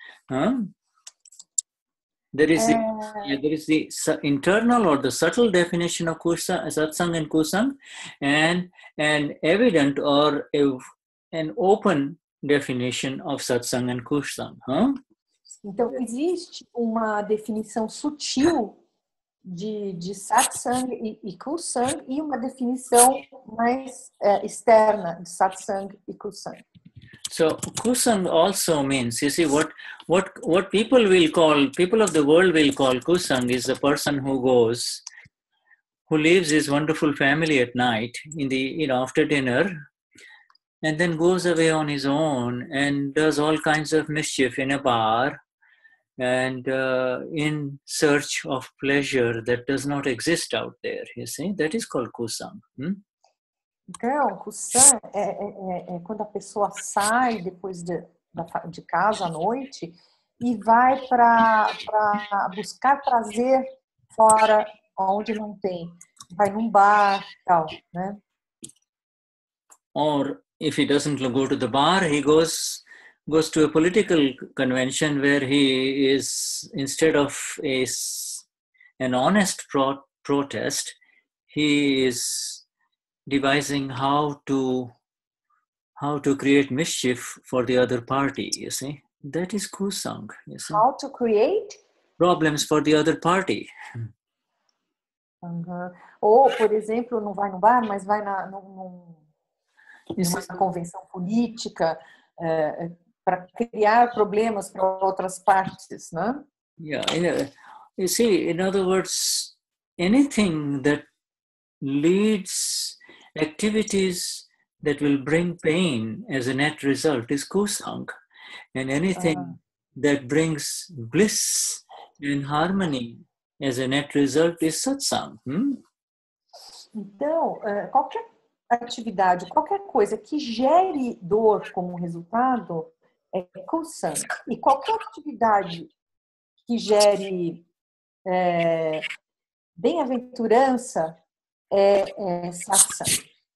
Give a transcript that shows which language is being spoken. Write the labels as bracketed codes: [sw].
[en] There is the internal or the subtle definition of satsang and kusang, and an evident or an open definition of satsang and kusang. [pt] Então existe uma definição sutil de satsang e kusang e uma definição mais externa de satsang e kusang. [en] So kusang also means, you see, what people of the world will call kusang is the person who leaves his wonderful family at night after dinner, and then goes away on his own and does all kinds of mischief in a bar, and in search of pleasure that does not exist out there. You see, that is called kusang. [pt] Então, kusang é quando a pessoa sai depois de casa à noite e vai para buscar prazer fora, onde não tem. Vai num bar e tal, né? [en] Or, if he doesn't go to the bar, he goes to a political convention where he is, instead of an honest protest, he is devising how to create mischief for the other party, you see? That is kusang, you see? How to create? Problems for the other party. Uh-huh. [pt] Ou, por exemplo, não vai no bar, mas vai numa convenção política para criar problemas para outras partes, né? [en] Yeah, you see, in other words, anything that leads... Activities that will bring pain as a net result is kusang, and anything that brings bliss and harmony as a net result is satsang. [pt] Então, qualquer atividade, qualquer coisa que gere dor como resultado é kusang, e qualquer atividade que gere bem-aventurança é satsang.